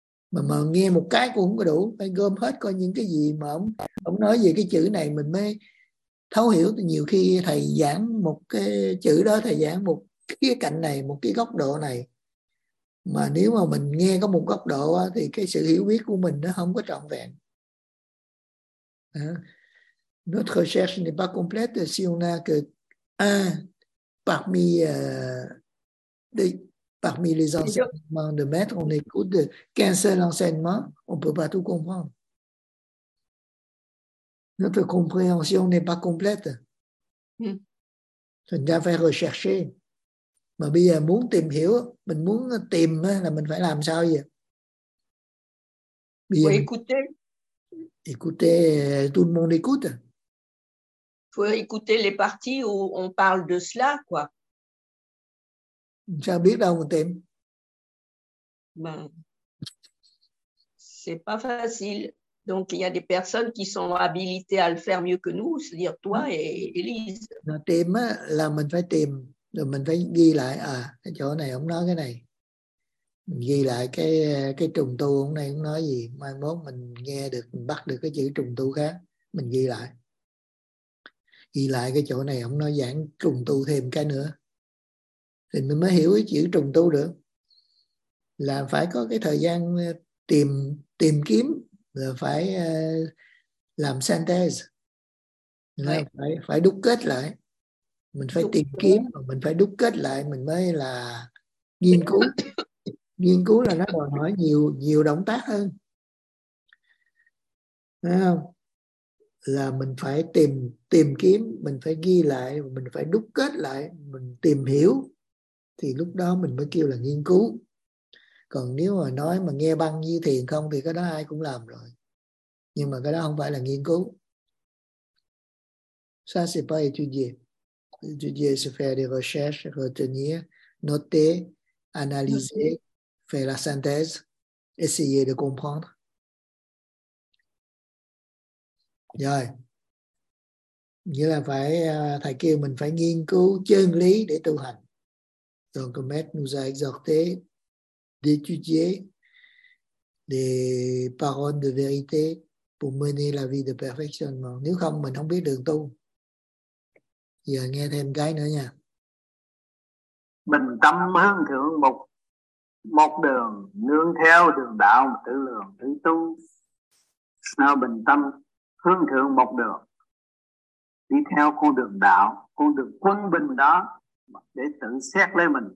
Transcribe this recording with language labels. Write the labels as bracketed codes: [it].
[vi] Mà nghe một cái cũng không có đủ, phải gom hết coi những cái gì mà ông nói về cái chữ này mình mới thấu hiểu. Nhiều khi thầy giảng một cái chữ đó, thầy giảng một cái cạnh này, một cái góc độ này. Mà nếu mà mình nghe có một góc độ thì cái sự hiểu biết của mình nó không có trọn vẹn. Hein? [fr] Notre recherche n'est pas complète si on n'a que un parmi les enseignements de maître, on écoute qu'un seul enseignement, on ne peut pas tout comprendre. Notre compréhension n'est pas complète. Mm. Ça fait rechercher. [vi] Mà bây giờ muốn tìm hiểu, mình muốn tìm là mình phải làm sao vậy? Bây giờ... [fr] écouter. Écoutez, tout le monde écoute. Il faut écouter les parties où on parle de cela, quoi. Ça [vi] biết đâu mà tìm. [fr] Ben, c'est pas facile. Donc, il y a des personnes qui sont habilitées à le faire mieux que nous, c'est-à-dire toi et Élise. [vi] Tìm, là mình phải tìm. Rồi mình phải ghi lại, à, cái chỗ này ông nói cái này. Mình ghi lại cái trùng tu hôm nay cũng nói gì, mai mốt mình nghe được, mình bắt được cái chữ trùng tu khác, mình ghi lại. Ghi lại cái chỗ này không nói giảng trùng tu thêm cái nữa. Thì mình mới hiểu cái chữ trùng tu được. Là phải có cái thời gian tìm kiếm, là phải làm synthesis. Là phải đúc kết lại. Mình phải tìm kiếm, mình phải đúc kết lại, mình mới là nghiên cứu. Nghiên cứu là nó đòi hỏi nhiều động tác hơn. Thấy không? Là mình phải tìm kiếm, mình phải ghi lại, mình phải đúc kết lại, mình tìm hiểu. Thì lúc đó mình mới kêu là nghiên cứu. Còn nếu mà nói mà nghe băng như thiền không thì cái đó ai cũng làm rồi. Nhưng mà cái đó không phải là nghiên cứu. [fr] Ça, c'est pas étudier. Étudier, c'est faire des recherches, retenir, noter, analyser, faire la synthèse, essayer de comprendre. [vi] Rồi. Như là phải, thầy kêu mình phải nghiên cứu chân lý để tu hành. [fr] Donc, le maître nous a exhorté d'étudier les paroles de vérité pour mener la vie de perfectionnement. [vi] Nếu không, mình không biết đường tu. Giờ nghe thêm cái nữa nha. Bình tâm hướng thượng mục, một đường nương theo đường đạo mà tự lường tự tu. Sao bình tâm hướng thượng một đường đi theo con đường đạo, con đường quân bình đó để tự xét lấy mình.